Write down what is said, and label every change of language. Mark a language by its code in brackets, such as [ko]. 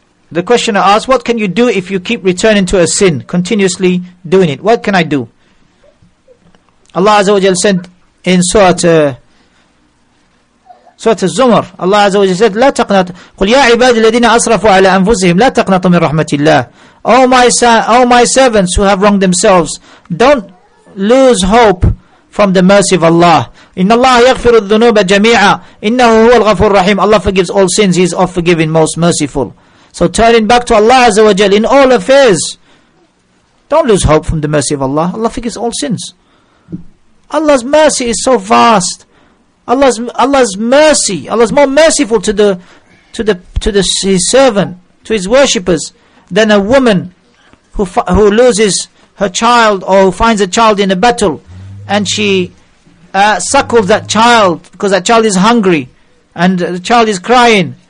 [en] The questioner asks, what can you do if you keep returning to a sin, continuously doing it? What can I do? Allah Azza wa Jal said in Surah Surah Az-Zumar. Allah Azza wa Jalla said, [ar] لا تقنط قل يا عباد الذين أسرفوا على أنفسهم لا تقنطوا من رحمة الله. [en] Oh my servants who have wronged themselves, don't lose hope from the mercy of Allah. [ar] إن الله يغفر الذنوب جميعا إنه هو الغفور الرحيم. [en] Allah forgives all sins, He is all forgiving, most merciful. So turning back to Allah Azza wa Jalla in all affairs, don't lose hope from the mercy of Allah. Allah forgives all sins. Allah's mercy is so vast. Allah's mercy, Allah's more merciful to His servant, to His worshippers, than a woman who loses her child or who finds a child in a battle, and she suckles that child because that child is hungry, and the child is crying.